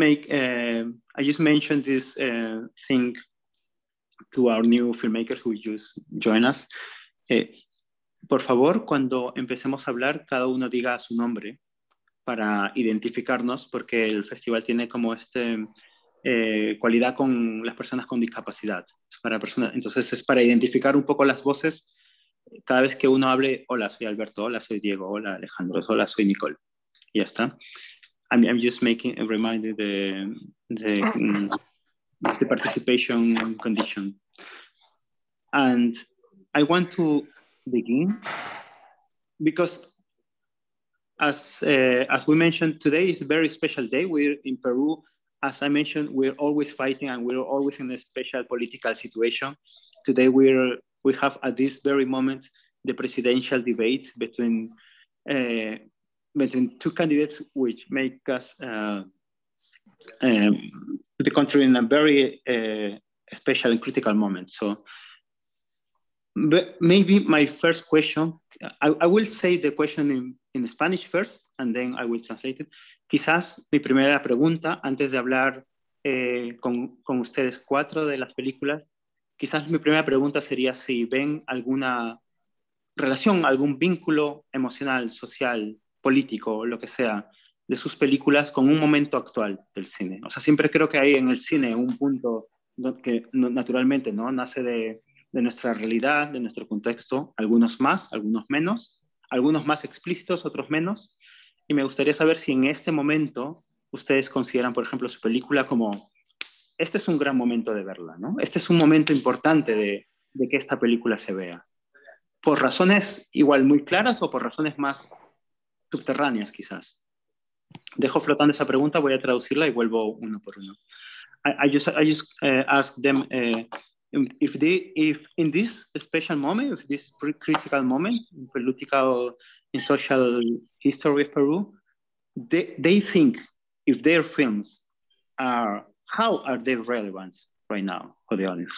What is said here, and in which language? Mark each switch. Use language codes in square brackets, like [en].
[en] I just mentioned this thing to our new filmmakers who just join us. [es] Por favor, cuando empecemos a hablar, cada uno diga su nombre para identificarnos, porque el festival tiene como esta cualidad con las personas con discapacidad. Entonces es para identificar un poco las voces. Cada vez que uno hable, hola, soy Alberto, hola, soy Diego, hola, Alejandro, hola, soy Nicole. Y ya está. [en] I'm just making a reminder the participation condition. And I want to begin because as we mentioned, today is a very special day. We're in Peru. As I mentioned, we're always fighting and we're always in a special political situation. Today we have at this very moment the presidential debate between between two candidates, which make us the country in a very special and critical moment. So maybe my first question, I will say the question in Spanish first, and then I will translate it. [es] Quizás mi primera pregunta, antes de hablar con ustedes cuatro de las películas, quizás mi primera pregunta sería si ven alguna relación, algún vínculo emocional, social, político, lo que sea, de sus películas con un momento actual del cine. O sea, siempre creo que hay en el cine un punto que naturalmente no nace de nuestra realidad, de nuestro contexto, algunos más, algunos menos, algunos más explícitos, otros menos. Y me gustaría saber si en este momento ustedes consideran, por ejemplo, su película como este es un gran momento de verla, ¿no? Este es un momento importante de que esta película se vea. ¿Por razones igual muy claras o por razones más subterráneas, quizás? Dejo flotando esa pregunta, voy a traducirla y vuelvo uno por uno. [en] I just ask them if in this special moment, if this critical moment, in political, in social history of Peru, they think if their films are, how are they relevant right now for the audience?